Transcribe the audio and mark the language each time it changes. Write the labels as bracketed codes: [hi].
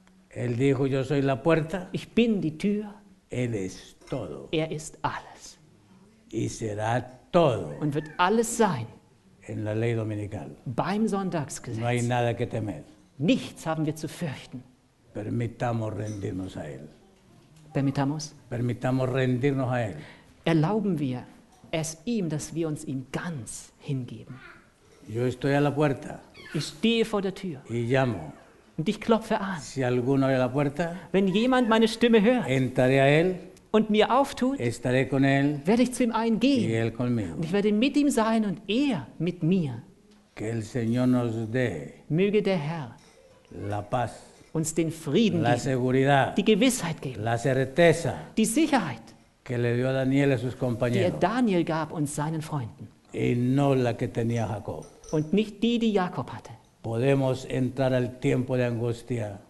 [es] Él dijo, yo soy la puerta. [de] Ich bin die Tür. [es] Él es todo. [de] Er ist alles. [es] Y será todo. [de] Und wird alles sein. [es] En la ley dominical. [de] Beim Sonntagsgesetz. [es] No hay nada que temer. [de] Nichts haben wir zu fürchten. [es] Permitamos rendirnos a él. Permitamos. Permitamos rendirnos a él. [de] Erlauben wir es ihm, dass wir uns ihm ganz hingeben. [es] Yo estoy a la puerta. [de] Ich stehe vor der Tür. [es] Y llamo. [de] Und ich klopfe an. [es] Si alguno abre la puerta, [de] wenn jemand meine Stimme hört. [es] Entraré a él. [de] Und mir auftut, [es] estaré con él, [de] werde ich zu ihm eingehen. [es] Y él conmigo. [de] Und ich werde mit ihm sein und er mit mir. [es] Que el Señor nos dé. [de] Möge der Herr [es] la paz, [de] uns den Frieden [es] la seguridad, [de] geben, die Gewissheit geben, [es] la certeza, [de] die Sicherheit, [es] que le dio a Daniel a sus compañeros, [de] die er Daniel gab und seinen Freunden. [es] Y no la que tenía Jacob. [de] Und nicht die, die Jakob hatte. [es] Podemos entrar al tiempo de angustia.